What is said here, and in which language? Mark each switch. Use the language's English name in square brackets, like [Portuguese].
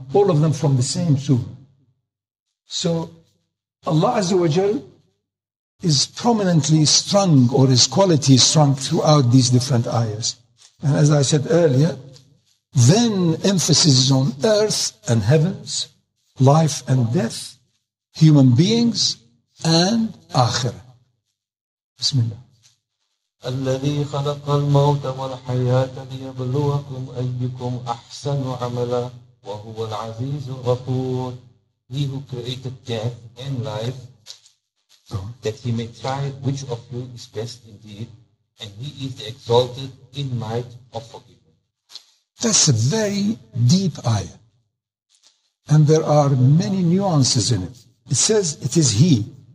[English] All of them from the same surah. So Allah Azza wa Jal is prominently strung, or His quality is strung throughout these different ayahs. And as I said earlier, then emphasis is on earth and heavens, life and death, human beings, and akhirah. Bismillah. [Arabic] الذي خلق الموت والحياة ليبلوكم أيكم أحسن عملا وهو العزيز الغفور. [English] He who created death and life, that he may try which of you is best indeed, and he is the exalted in might of forgiving. That's a very deep ayah. And there are many nuances in it. It says it is he.